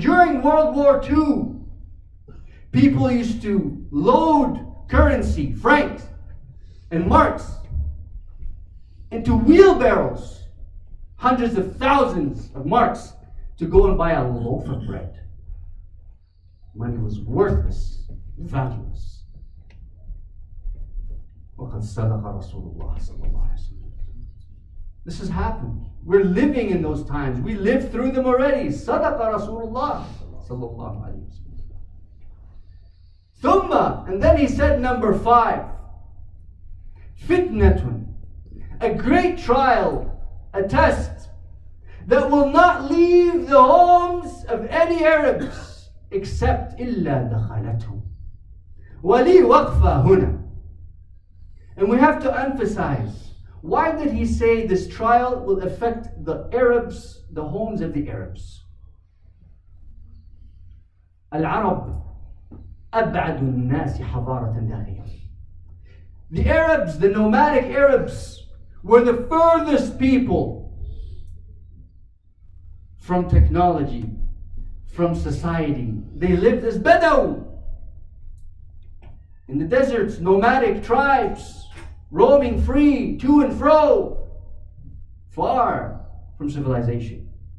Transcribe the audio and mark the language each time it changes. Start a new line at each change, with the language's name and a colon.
English: During World War II, people used to load currency, francs and marks, into wheelbarrows, hundreds of thousands of marks, to go and buy a loaf of bread. Money was worthless, valueless.
Arabic: وَقَدْ صَدَقَ رَسُولُ اللَّهِ صَلَّى اللَّهِ عَلَيْهِ وَسَلَّمَ.
English: This has happened. We're living in those times. We live through them already.
Arabic: صدق رسول الله صلى الله عليه وسلم.
English: ثم, and then he said number five. فتنة, a great trial, a test, that will not leave the homes of any Arabs except
Arabic: إلا دخلتهم. ولي وقفة هنا.
English: And we have to emphasize, why did he say this trial will affect the Arabs, the homes of the Arabs?
Arabic: Al-Arab, أبعد الناس حضارة داخلية.
English: The Arabs, the nomadic Arabs, were the furthest people from technology, from society. They lived as Bedouin in the deserts, nomadic tribes, roaming free, to and fro, far from civilization.